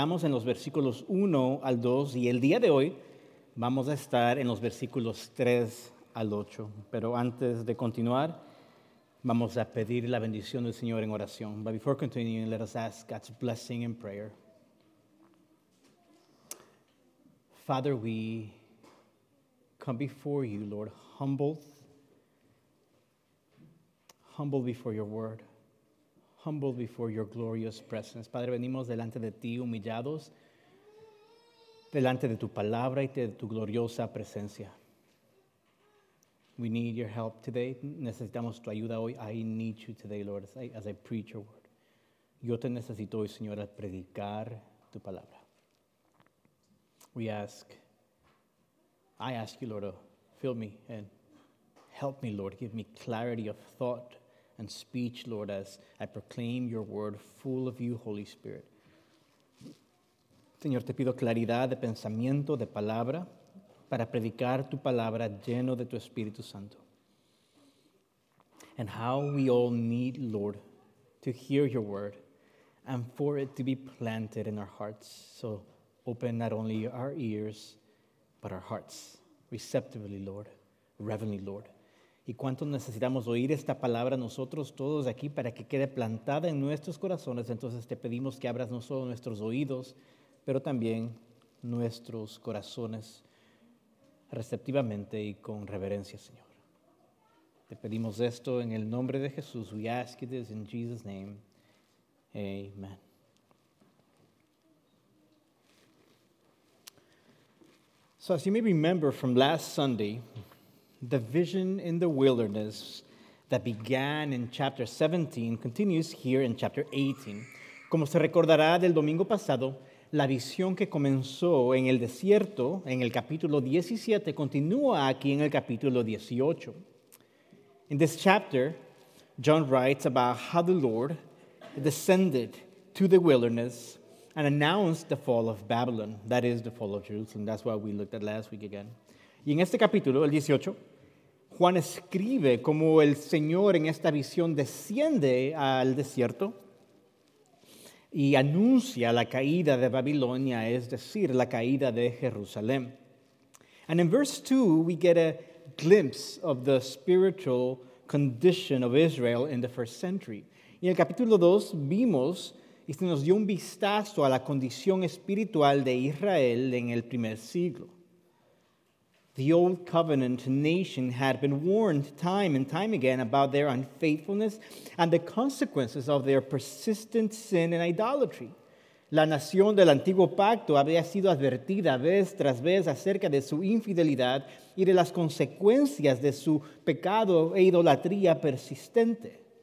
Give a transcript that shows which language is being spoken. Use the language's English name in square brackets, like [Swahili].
[Spanish] Estamos en los versículos 1 al 2 y el día de hoy vamos a estar en los versículos 3 al 8. Pero antes de continuar, vamos a pedir la bendición del Señor en oración. [English] But before continuing, let us ask God's blessing in prayer. Father, we come before you, Lord, humbled before your word, humbled before your glorious presence. [Spanish] Padre, venimos delante de ti, humillados, delante de tu palabra y de tu gloriosa presencia. [English] We need your help today. [Spanish] Necesitamos tu ayuda hoy. [English] I need you today, Lord, as I preach your word. [Spanish] Yo te necesito hoy, Señor, al predicar tu palabra. [English] I ask you, Lord, to fill me and help me, Lord. Give me clarity of thought and speech, Lord, as I proclaim your word full of you, Holy Spirit. [Spanish] Señor, te pido claridad de pensamiento, de palabra, para predicar tu palabra lleno de tu Espíritu Santo. [English] And how we all need, Lord, to hear your word and for it to be planted in our hearts. So open not only our ears, but our hearts, receptively, Lord, reverently, Lord. [Spanish] Y cuánto necesitamos oír esta palabra nosotros todos aquí para que quede plantada en nuestros corazones. Entonces te pedimos que abras no solo nuestros oídos, pero también nuestros corazones receptivamente y con reverencia, Señor. Te pedimos esto en el nombre de Jesús. [English] We ask this in Jesus' name. Amen. So as you may remember from last Sunday, the vision in the wilderness that began in chapter 17 continues here in chapter 18. [Spanish] Como se recordará del domingo pasado, la visión que comenzó en el desierto, en el capítulo 17, continúa aquí en el capítulo 18. [English] In this chapter, John writes about how the Lord descended to the wilderness and announced the fall of Babylon, that is the fall of Jerusalem. That's what we looked at last week again. [Spanish] Y en este capítulo, el 18, Juan escribe cómo el Señor en esta visión desciende al desierto y anuncia la caída de Babilonia, es decir, la caída de Jerusalén. [English] And in verse 2, we get a glimpse of the spiritual condition of Israel in the first century. [Spanish] Y en el capítulo 2, vimos y se nos dio un vistazo a la condición espiritual de Israel en el primer siglo. [English] The old covenant nation had been warned time and time again about their unfaithfulness and the consequences of their persistent sin and idolatry. [Spanish] La nación del antiguo pacto había sido advertida vez tras vez acerca de su infidelidad y de las consecuencias de su pecado e idolatría persistente.